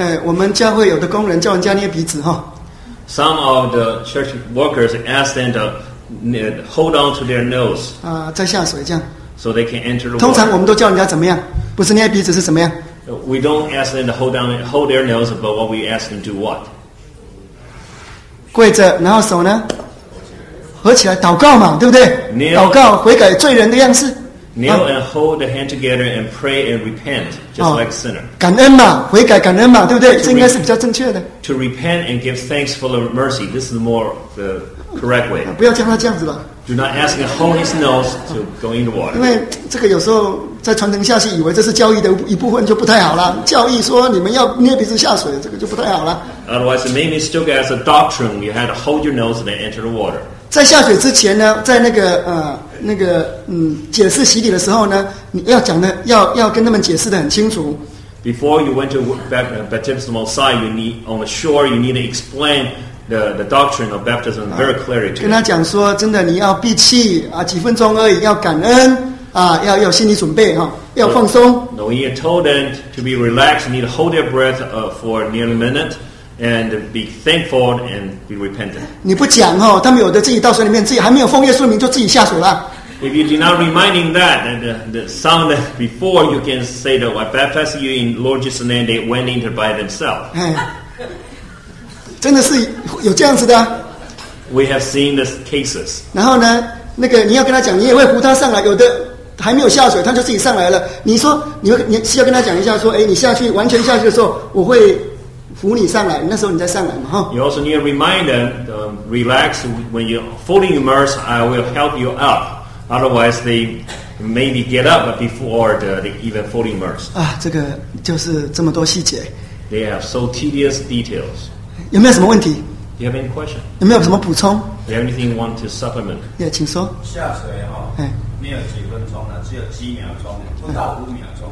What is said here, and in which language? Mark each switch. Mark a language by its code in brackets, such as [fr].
[zh] 哎，我们教会有的工人叫人家捏鼻子哈。 [en] Some of the church workers ask them to hold on to their nose. [zh] 啊，再下水这样。 [en] So they can enter the water. [zh] 通常我们都叫人家怎么样？不是捏鼻子是怎么样 [en] ？We don't ask them to hold their nose, but what we ask them to do what? [zh] 跪着，然后手呢？合起来祷告嘛，对不对？ [en] Kneel, [zh] 祷告悔改罪人的样子。 [en] Kneel and hold the hand together and pray and repent, just like sinner. [zh] 感恩嘛，悔改感恩嘛，对不对？这应该是比较正确的。 [en] To repent and give thanks for the mercy, this is more the correct way. [zh] 不要叫他这样子吧。 [en] Do not ask him to hold his nose to go in the water. [zh] 因为这个有时候在传承下去，以为这是教义的一部分就不太好了。教义说你们要捏鼻子下水，这个就不太好了。 [en] Otherwise, it may be still as a doctrine you had to hold your nose and enter the water. [zh] 在下水之前呢，在那个解释洗礼的时候呢，你要讲的要跟他们解释的很清楚。 [en] Before you went to baptismal site, you need on the shore, you need to explain the doctrine of baptism very clearly. [zh] 跟他讲说，真的你要闭气啊，几分钟而已，要感恩啊，要有心理准备哈，要放松。 [en] No, you told them to be relaxed. You need to hold their breath for nearly a minute. And be thankful and be repentant. [zh] 你不讲哦，他们有的自己到水里面，自己还没有奉耶稣名就自己下水了。 [en] If you do not reminding that, then the sound before you can say that I baptize you in Lord Jesus' name, they went into by themselves. [zh] 哎，真的是有这样子的。 [en] We have seen the cases. [zh] 然后呢，那个你要跟他讲，你也会扶他上来，有的。还没有下水，他就自己上来了。你说，你需要跟他讲一下，说，哎，你下去完全下去的时候，我会。扶你上来，那时候你再上来嘛，哈。 [en] You also need a reminder, relax when you're fully immersed. I will help you up. Otherwise, they maybe get up before the even fully immersed. [zh] 啊，这个就是这么多细节。 [en] They have so tedious details. [zh] 有没有什么问题 [en] ？You have any question? [zh] 有没有什么补充 [en] ？You have anything you want to supplement? [zh] Yeah, 请说。下水哈、哦，没有几分钟的，只有几秒钟，不到五秒钟。